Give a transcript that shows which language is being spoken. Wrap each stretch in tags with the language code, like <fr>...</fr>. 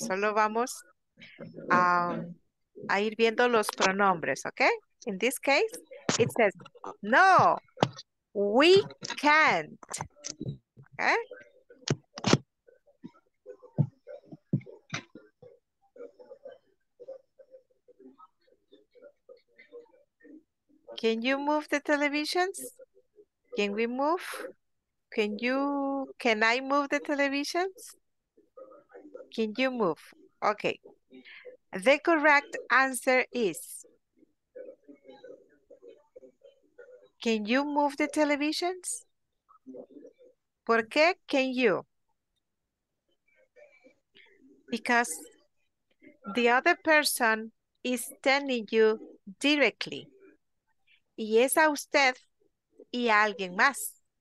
<es>Solo vamos a ir viendo los pronombres, okay?</es> <en>In this case, it says, no, we can't, okay? Can you move the televisions? Can we move? Can I move the televisions? Can you move? Okay. The correct answer is, can you move the televisions?</en> <es>¿Por qué can you?</es> <en>Because the other person is telling you directly.</en> <es>Y es a usted y a alguien más.</es>